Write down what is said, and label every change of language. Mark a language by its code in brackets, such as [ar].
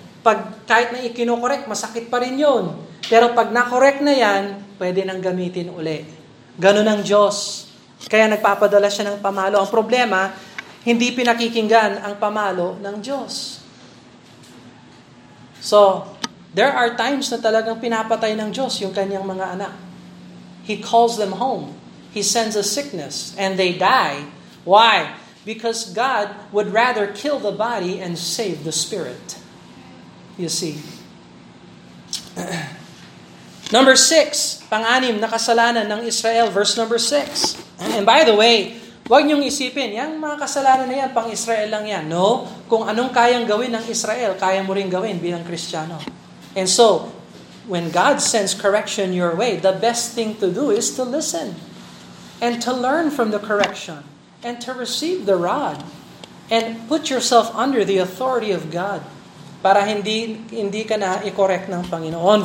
[tl] Pag kahit na ikinokorek, masakit pa rin yon. Pero pag nakorek na yan, pwede nang gamitin uli. Ganun ang Diyos. Kaya nagpapadala siya ng pamalo. Ang problema, hindi pinakikinggan ang pamalo ng Diyos. So, there are times na talagang pinapatay ng Diyos yung kanyang mga anak. [en] He calls them home. He sends a sickness and they die. Why? Because God would rather kill the body and save the spirit. You see. [tl] Number six, pang-anim na kasalanan ng Israel, verse number six. And by the way, huwag niyong isipin, yung mga kasalanan na yan, pang-Israel lang yan. No, kung anong kayang gawin ng Israel, kaya mo rin gawin bilang Kristiyano. [en] And so, when God sends correction your way, the best thing to do is to listen and to learn from the correction and to receive the rod and put yourself under the authority of God para hindi ka na i-correct ng Panginoon.